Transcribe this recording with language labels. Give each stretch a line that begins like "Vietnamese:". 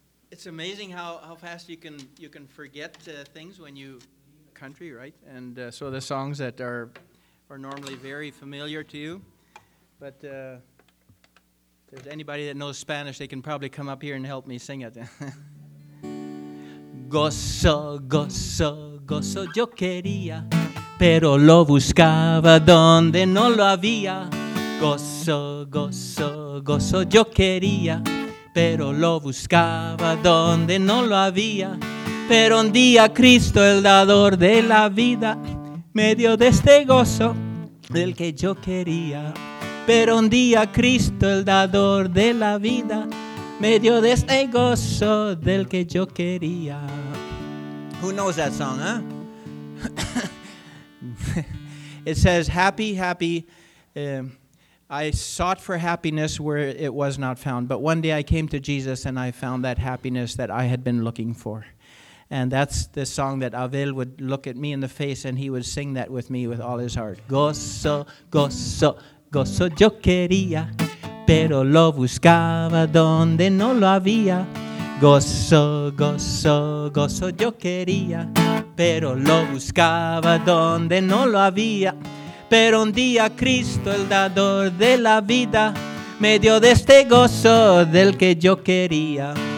English: It's amazing how fast you can forget things when you country, right? And so the songs that are normally very familiar to you, but if there's anybody that knows Spanish, they can probably come up here and help me sing it.
Spanish: Gozo, gozo, gozo yo quería, pero lo buscaba donde no lo había. Gozo, gozo, gozo yo quería, pero lo buscaba donde no lo había. Pero un día Cristo, el dador de la vida, me dio de este gozo del que yo quería. Pero un día Cristo, el dador de la vida, me dio de este gozo del que yo quería.
English: Who knows that song, huh? It says, happy, happy. I sought for happiness where it was not found, but one day I came to Jesus and I found that happiness that I had been looking for. And that's the song that Avil would look at me in the face and he would sing that with me with all his heart.
Spanish: Gozo, gozo, gozo yo quería, pero lo buscaba donde no lo había. Gozo, gozo, gozo yo quería, pero lo buscaba donde no lo había. Pero un día Cristo, el dador de la vida, me dio de este gozo del que yo quería.